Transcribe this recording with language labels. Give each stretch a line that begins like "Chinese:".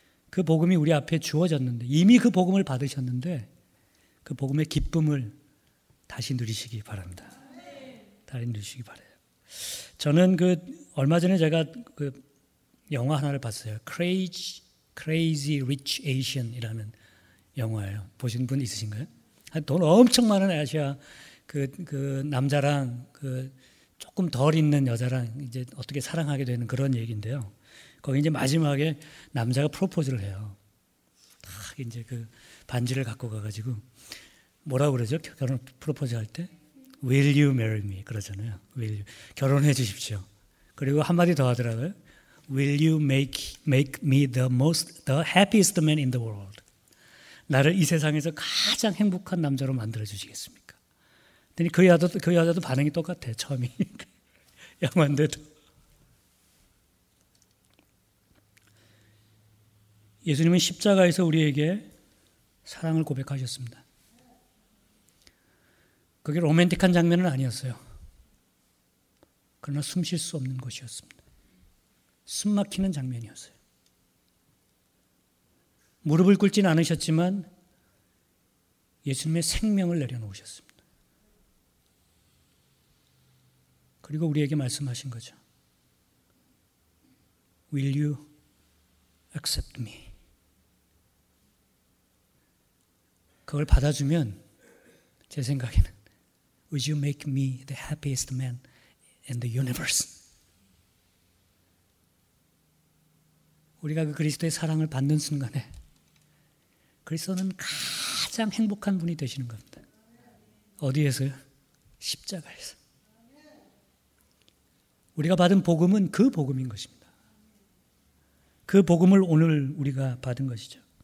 Korean: 그 복음이 우리 앞에 주어졌는데, 이미 그 복음을 받으셨는데, 그 복음의 기쁨을 다시 누리시기 바랍니다. 다시 누리시기 바라요. 저는 그 얼마 전에 제가 그 영화 하나를 봤어요. Crazy Rich Asian이라는 영화예요. 보신 분 있으신가요? 돈 엄청 많은 아시아 그 남자랑 그 조금 덜 있는 여자랑 이제 어떻게 사랑하게 되는 그런 얘기인데요. 거기 이제 마지막에 남자가 프로포즈를 해요. 딱 이제 그 반지를 갖고 가가지고. 뭐라고 그러죠? 결혼 프로포즈할 때
English: Will you marry me?
Korean: 그러잖아요.
English: Will you.
Korean: 결혼해 주십시오. 그리고 한마디 더 하더라고요.
English: Will you make me the happiest man in the world?
Korean: 나를 이 세상에서 가장 행복한 남자로 만들어 주시겠습니까? 그러니 그 여자도 반응이 똑같아. 처음이 영화인데도 예수님은 십자가에서 우리에게 사랑을 고백하셨습니다. 그게 로맨틱한 장면은 아니었어요. 그러나 숨 쉴 수 없는 곳이었습니다. 숨 막히는 장면이었어요. 무릎을 꿇진 않으셨지만 예수님의 생명을 내려놓으셨습니다. 그리고 우리에게 말씀하신 거죠.
English: Will you accept me?
Korean: 그걸 받아주면 제 생각에는
English: Would you make me the happiest man in the universe?
Korean: 우리가 그 그리스도의 사랑을 받는 순간에 그리스도는 가장 행복한 분이 되시는 겁니다. 어디에서요? 십자가에서. 우리가 받은 복음은 그 복음인 것입니다. 그 복음을 오늘 우리가 받은 것이죠.